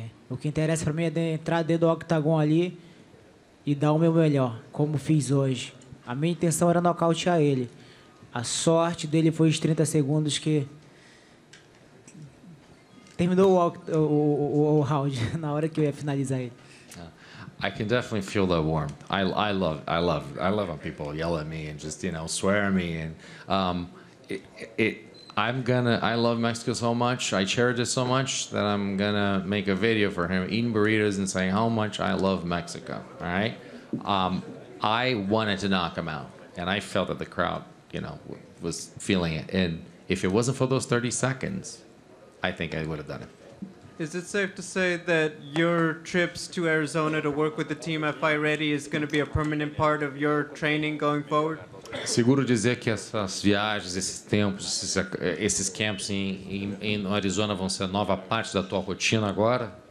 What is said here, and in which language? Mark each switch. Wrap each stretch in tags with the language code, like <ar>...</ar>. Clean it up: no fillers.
<pt>O que interessa para mim é entrar dentro do octagon ali e dar o meu melhor, como fiz hoje. A minha intenção era nocautear ele. A sorte dele foi os 30 segundos que terminou o round na hora que eu ia finalizar ele.</pt> <en>I can definitely feel that warmth. I love when people yell at me and just, you know, swear at me. And I love Mexico so much. I cherish it so much that I'm gonna make a video for him eating burritos and saying how much I love Mexico. All right. I wanted to knock him out, and I felt that the crowd, you know, was feeling it. And if it wasn't for those 30 seconds, I think I would have done it. Is it safe to say that your trips to Arizona to work with the team at Fight Ready is going to be a permanent part of your training going forward?</en> <pt>Seguro dizer que essas viagens, esses tempos, esses camps em Arizona vão ser nova parte da tua rotina agora?</pt>